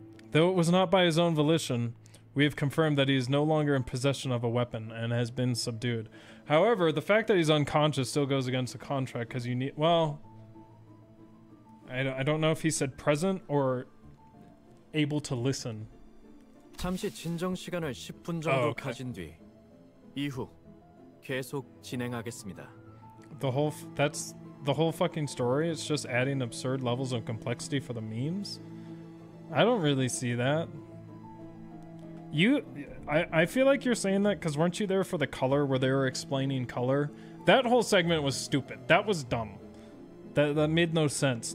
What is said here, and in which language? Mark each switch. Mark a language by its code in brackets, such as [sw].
[en] Though it was not by his own volition, we have confirmed that he is no longer in possession of a weapon and has been subdued. However, the fact that he's unconscious still goes against the contract because you need. Well. I don't know if he said present or able to listen. [ko] 잠시 진정 시간을 10분 정도 oh, okay. 가진 뒤 이후 계속 진행하겠습니다. [en] That's the whole fucking story. It's just adding absurd levels of complexity for the memes. I don't really see that. I feel like you're saying that because weren't you there for the color where they were explaining color? That whole segment was stupid. That was dumb. That made no sense.